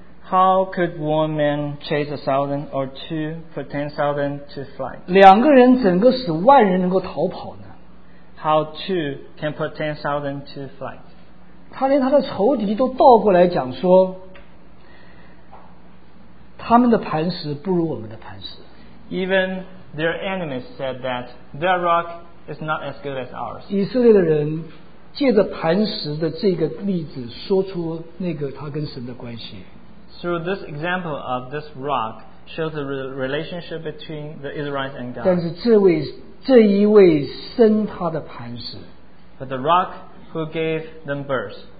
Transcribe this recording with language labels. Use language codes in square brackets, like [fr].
[en] How could one man chase 1,000 or two put 10,000 to flight? [zh] 两个人整个使万人能够逃跑呢？ [en] How two can put 10,000 to flight? [zh] 他连他的仇敌都倒过来讲说，他们的磐石不如我们的磐石。 [en] Even their enemies said that their rock is not as good as ours. [zh] 以色列的人借着磐石的这个例子说出那个他跟神的关系。 [en] Through this example of this rock, shows the relationship between the Israelites and God. [zh] 但是这一位生他的磐石， [en] but the rock who gave them birth,